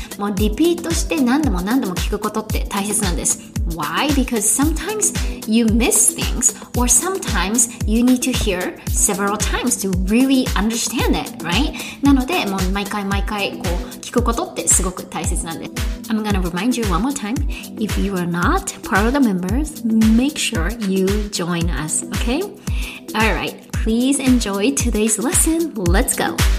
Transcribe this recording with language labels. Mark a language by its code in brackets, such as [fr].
[ja] もうリピートして何度も何度も聞くことって大切なんです。 [en] Why? Because sometimes you miss things or sometimes you need to hear several times to really understand it, right? [ja] なのでもう毎回毎回こう聞くことってすごく大切なんです。 [en] I'm gonna remind you one more time. If you are not part of the members, make sure you join us, okay? Alright, please enjoy today's lesson. Let's go!